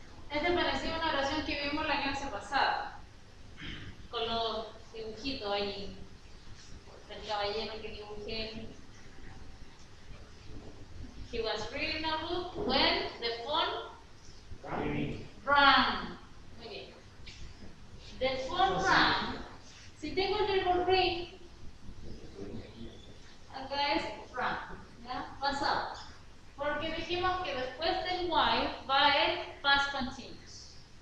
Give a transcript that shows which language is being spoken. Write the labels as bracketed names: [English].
[Spanish] Este parecía una oración que vimos la clase pasada, con los dibujitos ahí, el caballero que dibujé. [English] He was reading a book when the phone rang. [Spanish] Muy bien. [English] The phone rang. [Spanish] Si tengo el verbo ring, acá es rang, ¿ya? Pasado. Porque dijimos que después del while va el past continuous.